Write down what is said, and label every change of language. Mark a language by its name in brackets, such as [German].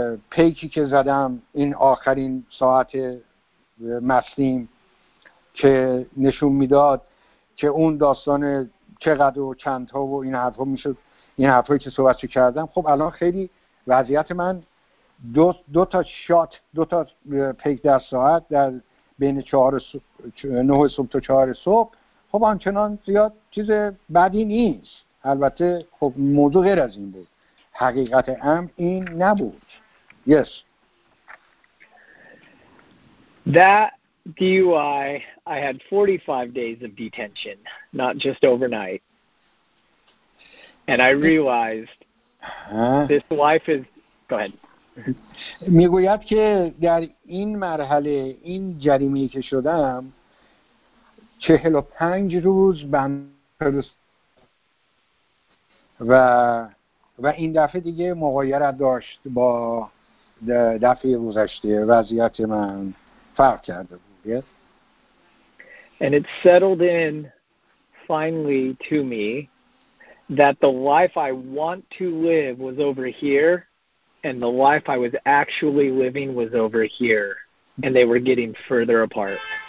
[Persian] پیکی که زدم این آخرین ساعت مسلیم که نشون میداد که اون داستان چقدر و چند تا و این حرف ها میشد، این حرف هایی که صحبت کردم، خب الان خیلی وضعیت من دو تا پیک در ساعت در بین 9 صبح تا 4 صبح خب آنچنان زیاد چیز بدی نیست. البته خب موضوع غیر از این بود، حقیقت هم این نبود. [English] Yes. That DUI, I had 45 days of detention, not just overnight. And I realized this life is... Go ahead. [Persian] میگوید که در این مرحله، این جریمه‌ای که شدم، 45 روز و این دفعه دیگه مغایرت داشت با دفعه گذشته، وضعیت من فرق کرده بود. [English] Yes. And it settled in finally to me that the life I want to live was over here and the life I was actually living was over here and they were getting further apart.